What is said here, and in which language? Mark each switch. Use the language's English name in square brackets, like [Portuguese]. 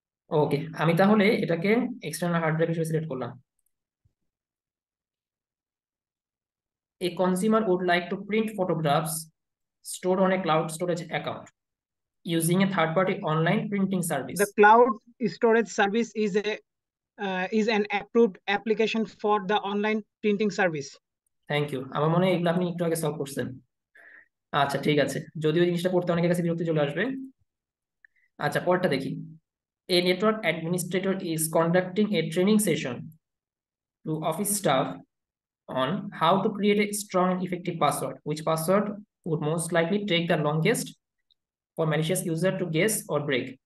[Bangla] ওকে আমি তাহলে এটাকে এক্সটার্নাল হার্ড ড্রাইভ হিসেবে সিলেক্ট করলাম। [English] A consumer would like to print photographs store on a cloud storage account using a third party online printing service. The cloud storage service is an approved application for the online printing service. Thank you, [Bangla] আমার মনে হয় এগুলো আপনি একটু আগে solve করছেন। আচ্ছা ঠিক আছে, যদিও জিনিসটা পড়তে অনেকের কাছে বিরক্তি চলে আসবে। আচ্ছা পরটা দেখি, [English] A network administrator is conducting a training session to office staff on how to create a strong and effective password, which password would most likely take the longest for malicious user to guess or break?